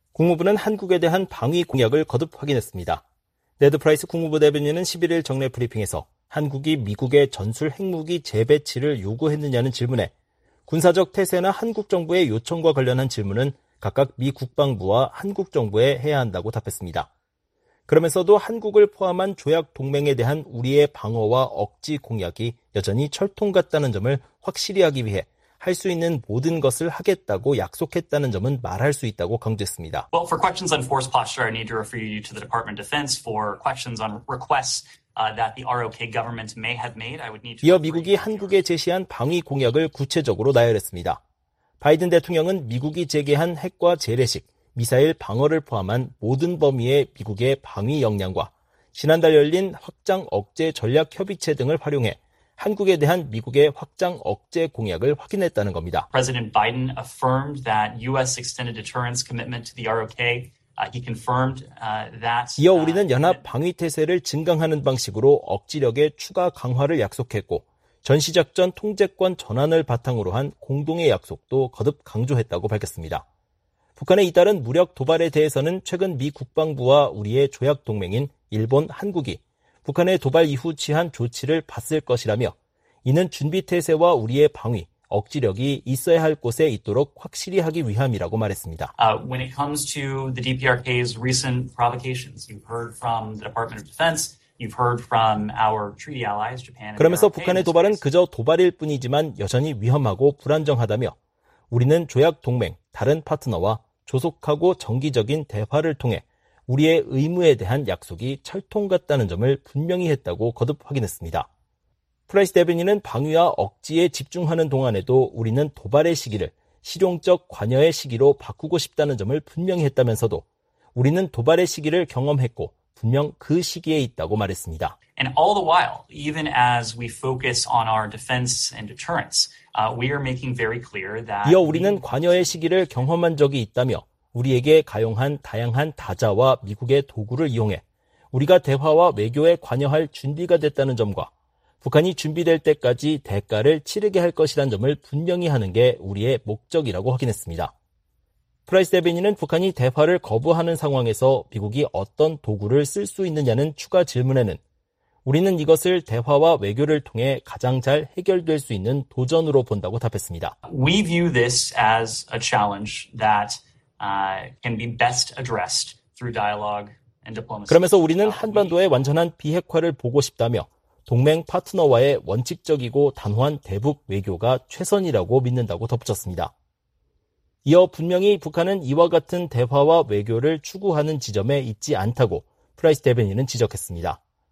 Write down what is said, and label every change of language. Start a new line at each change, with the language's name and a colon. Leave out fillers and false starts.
Korean: 국무부는 한국에 대한 방위 공약을 거듭 확인했습니다. 네드 프라이스 국무부 대변인은 11일 정례 브리핑에서 한국이 미국의 전술 핵무기 재배치를 요구했느냐는 질문에 군사적 태세나 한국 정부의 요청과 관련한 질문은 각각 미 국방부와 한국 정부에 해야 한다고 답했습니다. 그러면서도 한국을 포함한 조약 동맹에 대한 우리의 방어와 억지 공약이 여전히 철통 같다는 점을 확실히 하기 위해 할 수 있는 모든 것을 하겠다고 약속했다는 점은 말할 수 있다고 강조했습니다.
English: Well, for questions on force posture, I need to refer you to the Department of Defense. For questions on requests that the ROK government may have made, I would need to.
Korean: 이어 미국이 한국에 제시한 방위 공약을 구체적으로 나열했습니다. 바이든 대통령은 미국이 제기한 핵과 재래식, 미사일 방어를 포함한 모든 범위의 미국의 방위 역량과 지난달 열린 확장 억제 전략 협의체 등을 활용해 한국에 대한 미국의 확장 억제 공약을 확인했다는 겁니다.
English: President Biden affirmed that U.S. extended deterrence commitment to the ROK. He confirmed that.
Korean: 이어 우리는 연합 방위 태세를 증강하는 방식으로 억지력의 추가 강화를 약속했고 전시작전 통제권 전환을 바탕으로 한 공동의 약속도 거듭 강조했다고 밝혔습니다. 북한의 이달은 무력 도발에 대해서는 최근 미 국방부와 우리의 조약 동맹인 일본, 한국이 북한의 도발 이후 취한 조치를 봤을 것이라며 이는 준비태세와 우리의 방위, 억지력이 있어야 할 곳에 있도록 확실히 하기 위함이라고 말했습니다.
English: When it comes to the DPRK's recent provocations, you've heard from the Department of Defense, you've heard from our treaty allies, Japan.
Korean: 그러면서 북한의 도발은 그저 도발일 뿐이지만 여전히 위험하고 불안정하다며 우리는 조약 동맹, 다른 파트너와 조속하고 정기적인 대화를 통해 우리의 의무에 대한 약속이 철통 같다는 점을 분명히 했다고 거듭 확인했습니다. 프라이스 대변인은 방위와 억지에 집중하는 동안에도 우리는 도발의 시기를 실용적 관여의 시기로 바꾸고 싶다는 점을 분명히 했다면서도 우리는 도발의 시기를 경험했고 분명 그 시기에 있다고 말했습니다.
English: And all the while, even as we focus on our defense and deterrence, we are making very clear that
Korean: 이어 우리는 관여의 시기를 경험한 적이 있다며 우리에게 가용한 다양한 다자와 미국의 도구를 이용해 우리가 대화와 외교에 관여할 준비가 됐다는 점과 북한이 준비될 때까지 대가를 치르게 할 것이란 점을 분명히 하는 게 우리의 목적이라고 확인했습니다. 프라이스 데비니는 북한이 대화를 거부하는 상황에서 미국이 어떤 도구를 쓸 수 있느냐는 추가 질문에는 우리는 이것을 대화와 외교를 통해 가장 잘 해결될 수 있는 도전으로 본다고 답했습니다.
English: We view this as a challenge that can be best addressed through dialogue and diplomacy.
Korean: 그러면서 우리는 한반도의 완전한 비핵화를 보고 싶다며 동맹 파트너와의 원칙적이고 단호한 대북 외교가 최선이라고 믿는다고 덧붙였습니다. 이어 분명히 북한은 이와 같은 대화와 외교를 추구하는 지점에 있지 않다고 프라이스 데비니는 지적했습니다.